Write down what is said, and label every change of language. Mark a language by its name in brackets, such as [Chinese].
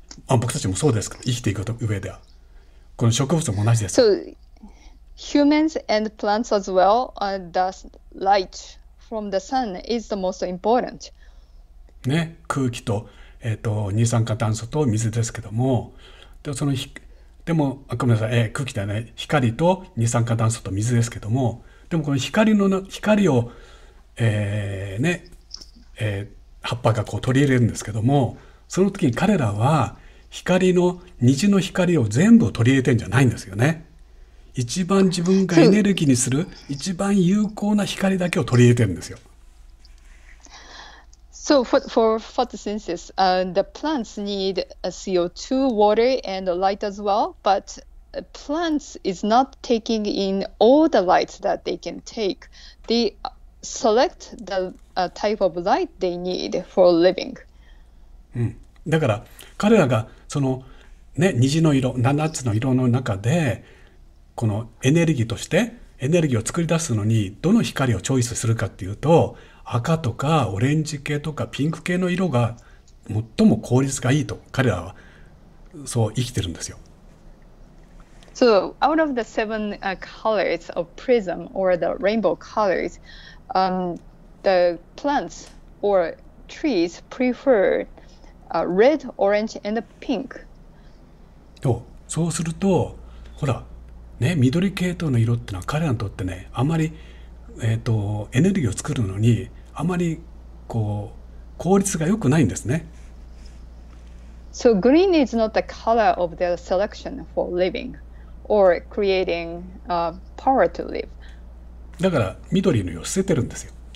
[Japanese] あ、僕たちもそうですけど、生きていく上ではこの植物も同じです。 [English] So humans and plants as well does light. From the sun is the most important. [Japanese] ね、空気と、二酸化炭素と水ですけども、で、そのひ、でも、あ、ごめんなさい、空気ではない、光と二酸化炭素と水ですけども、でもこの光を、葉っぱがこう取り入れるんですけども、その時に彼らは光の虹の光を全部取り入れてんじゃないんですよね。一番自分がエネルギーにする一番有効な光だけを取り入れてるんですよ。 [English] So for photosynthesis, the plants need CO2, water, and light as well. But plants is not taking in all the light that they can take. They select the type of light they need for living. [Japanese] うん。だから彼らがそのね、虹の色、七つの色の中でこのエネルギーとしてエネルギーを作り出すのにどの光をチョイスするかっていうと、赤とかオレンジ系とかピンク系の色が最も効率がいいと彼らはそう生きてるんですよ。 [English] So out of the seven colors of prism or the rainbow colors, the plants or trees prefer red, orange and pink. [Japanese] そうするとほらね、緑系統の色ってのは彼らにとってね、あまり、エネルギーを作るのにあまりこう効率が良くないんですね。 [English] So green is not the color of their selection for living or creating power to live. [Japanese] だから緑の色を捨ててるんですよ。